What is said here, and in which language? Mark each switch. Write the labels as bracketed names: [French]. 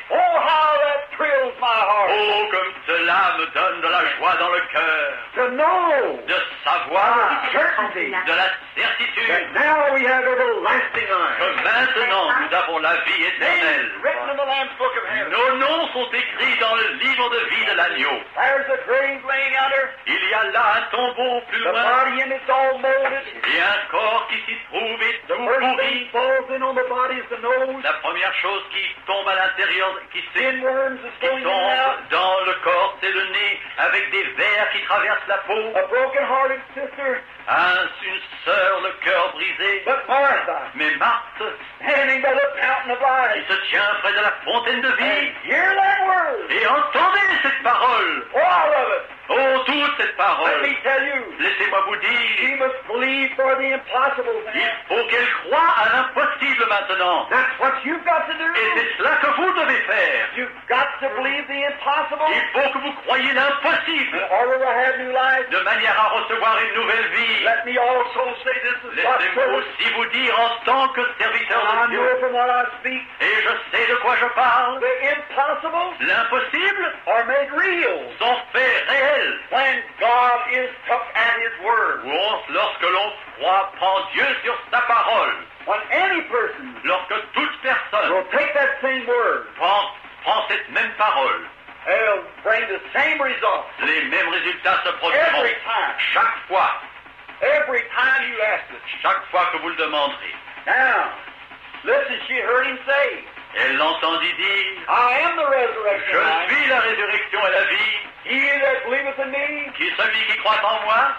[English] Oh, how that thrills my heart. [French] Oh, comme cela me donne de la joie dans le cœur. [English] To know, [French] de savoir, [English] certainty, [French] de la certitude, [English] that now we have everlasting life. [French] Que maintenant nous avons la vie éternelle. [English] Written in the Lamb's Book of Heaven. [French] Nos noms sont écrits dans le livre de vie de l'agneau. [English] There's a grave laying under. [French] Il y a là un tombeau plus [English] the [French] loin. [English] Body in its all molded. [French] Et un corps qui s'y trouve est [English] the [French] tout pourri. [English] Thing falls in on the body is the nose. [French] La première chose qui tombe à l'intérieur, qui tombe dans le corps, c'est le nez, avec des vers qui traversent la peau. [English] A broken-hearted sister. [French] Une sœur, le cœur brisé. [English] But Martha, [French] mais Marthe, [English] standing by the fountain of life, [French] se tient près de la fontaine de vie. [English] Hear that word. [French] Et entendez cette parole. [English] All of it. [French] Oh, toute cette parole. [English] Let me tell you, [French] laissez-moi vous dire. [English] She must believe for the impossible. [French] Il faut qu'elle croie à l'impossible maintenant. [English] That's what you've got to do. [French] Et c'est cela que vous devez faire. [English] You've got to believe the impossible. [French] Il faut que vous croyiez l'impossible. [English] In order to have new life. [French] De manière à recevoir une nouvelle vie. [English] Let me also say this is [French] laissez-moi aussi vous dire en tant que serviteur de Dieu. [English] I know from what I speak. [French] Et je sais de quoi je parle. [English] The impossible. [French] L'impossible. [English] Are made real. [French] Sont faits réels. [English] When God is took at His word, [French] lorsque l'on croit, prend Dieu sur sa parole, [English] when any person, [French] lorsque toute personne, [English] will take that same word, [French] prend cette même parole, [English] it'll bring the same results. [French] Les mêmes résultats se produiront [English] every time, [French] chaque fois, [English] every time you ask it, [French] chaque fois que vous le demanderez. [English] Now, listen, she heard him say, [French] elle l'entendit dire, [English] I am the resurrection. [French] Je suis la résurrection et la vie. [English] He that believeth in me, [French] qui celui qui croit en moi,